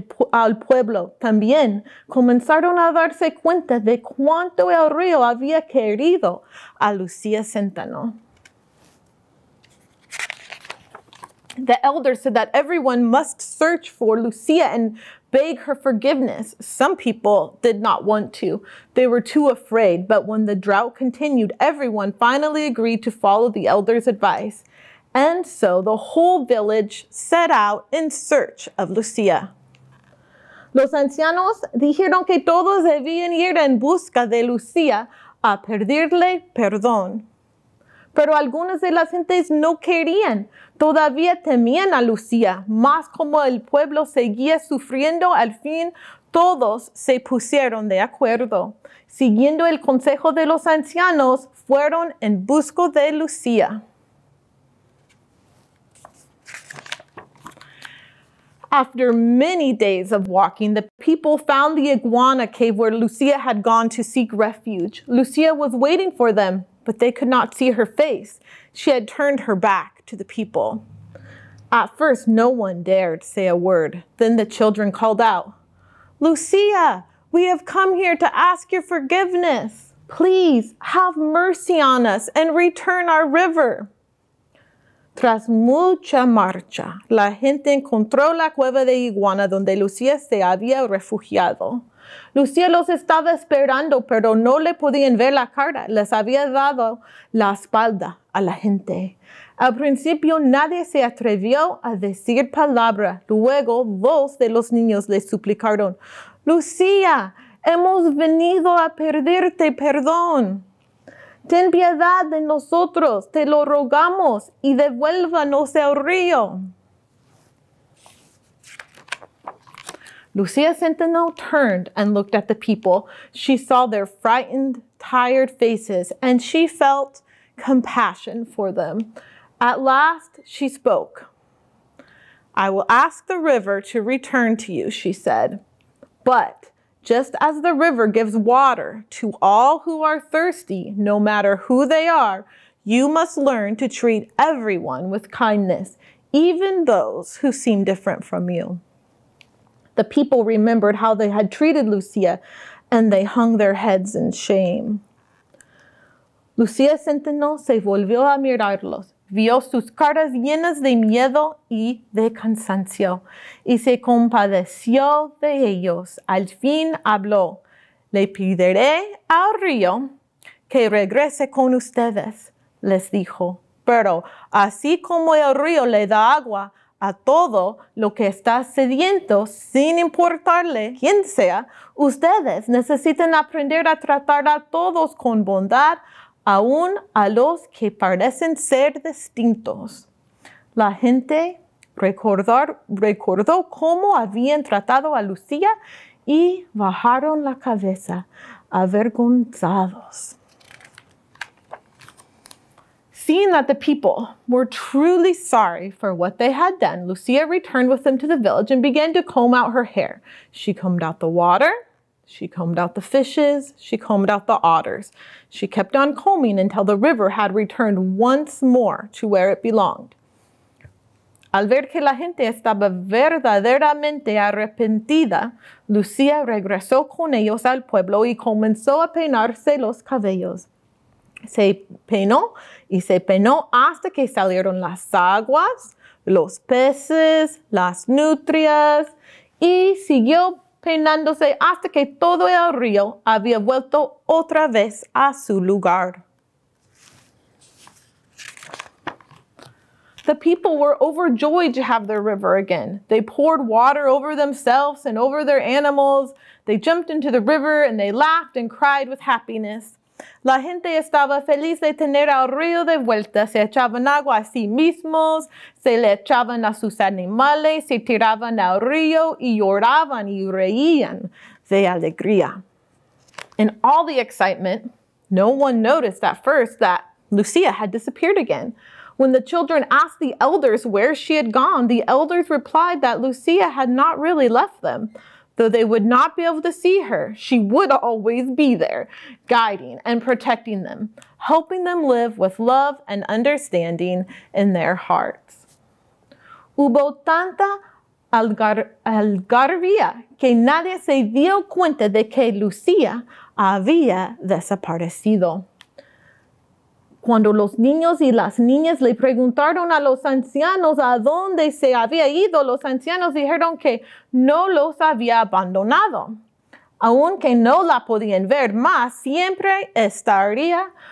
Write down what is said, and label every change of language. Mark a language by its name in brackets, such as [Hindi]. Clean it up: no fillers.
[Spanish] Al pueblo también comenzaron a darse cuenta de cuánto el río había querido a Lucía Zenteno. [English] The elders said that everyone must search for Lucía and beg her forgiveness. Some people did not want to. They were too afraid. But when the drought continued, everyone finally agreed to follow the elders' advice. And so the whole village set out in search of Lucía. [Spanish] Los ancianos dijeron que todos debían ir en busca de Lucía a pedirle perdón. Pero algunas de las gentes no querían, todavía temían a Lucía, más como el pueblo seguía sufriendo, al fin todos se pusieron de acuerdo. Siguiendo el consejo de los ancianos, fueron en busca de Lucía. [English] After many days of walking, the people found the iguana cave where Lucía had gone to seek refuge. Lucía was waiting for them, but they could not see her face. She had turned her back to the people. At first, no one dared say a word. Then the children called out, "Lucía, we have come here to ask your forgiveness. Please have mercy on us and return our river." [Spanish] Tras mucha marcha, la gente encontró la cueva de iguana donde Lucía se había refugiado. Lucía los estaba esperando, pero no le podían ver la cara. Les había dado la espalda a la gente. Al principio, nadie se atrevió a decir palabra. Luego, dos de los niños le suplicaron, "Lucía, hemos venido a pedirte perdón. Ten piedad de nosotros, te lo rogamos, y devuélvanos al río." [English] Lucía Zenteno turned and looked at the people. She saw their frightened, tired faces, and she felt compassion for them. At last, she spoke. "I will ask the river to return to you," she said. "But just as the river gives water to all who are thirsty, no matter who they are, you must learn to treat everyone with kindness, even those who seem different from you." The people remembered how they had treated Lucía, and they hung their heads in shame. [Spanish] Lucía Zenteno se volvió a mirarlos, vio sus caras llenas de miedo y de cansancio, y se compadeció de ellos. Al fin habló, "Le pediré al río que regrese con ustedes," les dijo. "Pero así como el río le da agua a todo lo que está sediento, sin importarle quién sea, ustedes necesitan aprender a tratar a todos con bondad, aún a los que parecen ser distintos." La gente recordó cómo habían tratado a Lucía y bajaron la cabeza, avergonzados. [English] Seeing that the people were truly sorry for what they had done, Lucía returned with them to the village and began to comb out her hair. She combed out the water. She combed out the fishes, she combed out the otters. She kept on combing until the river had returned once more to where it belonged. [Spanish] Al ver que la gente estaba verdaderamente arrepentida, Lucía regresó con ellos al pueblo y comenzó a peinarse los cabellos. Se peinó y se peinó hasta que salieron las aguas, los peces, las nutrias, y siguió peinándose hasta que todo el río había vuelto otra vez a su lugar. [English] The people were overjoyed to have their river again. They poured water over themselves and over their animals. They jumped into the river and they laughed and cried with happiness. [Spanish] La gente estaba feliz de tener al río de vuelta. Se echaban agua a sí mismos, se le echaban a sus animales, se tiraban al río y lloraban y reían de alegría. [English] In all the excitement, no one noticed at first that Lucía had disappeared again. When the children asked the elders where she had gone, the elders replied that Lucía had not really left them. Though they would not be able to see her, she would always be there, guiding and protecting them, helping them live with love and understanding in their hearts. [Spanish] Hubo tanta algarabía que nadie se dio cuenta de que Lucía había desaparecido. Cuando los niños y las niñas le preguntaron a los ancianos a dónde se había ido, los ancianos dijeron que no los había abandonado. Aunque no la podían ver más, siempre estaría